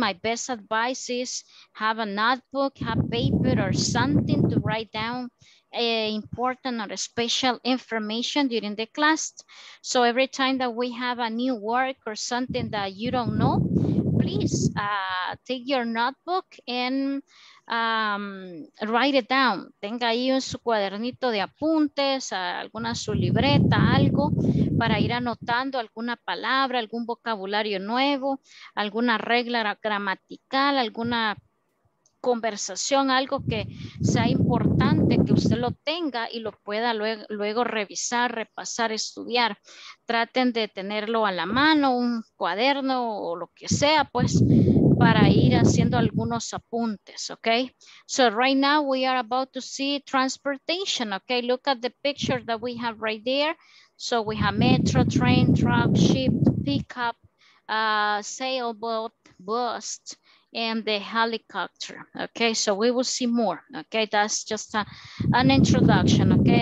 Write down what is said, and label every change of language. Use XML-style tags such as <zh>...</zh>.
<en>My best advice is have a notebook, have paper or something to write down important or special information during the class. So every time that we have a new work or something that you don't know, please take your notebook and write it down.</en> <es>Tenga ahí en su cuadernito de apuntes, alguna su libreta, algo para ir anotando alguna palabra, algún vocabulario nuevo, alguna regla gramatical, alguna conversación, algo que sea importante que usted lo tenga y lo pueda luego revisar, repasar, estudiar. Traten de tenerlo a la mano, un cuaderno o lo que sea, pues, para ir haciendo algunos apuntes, okay?</es> <en>So right now we are about to see transportation, okay? Look at the picture that we have right there. So we have metro, train, truck, ship, pickup, sailboat, bus, and the helicopter, okay? So we will see more, okay? That's just an introduction, okay?</en>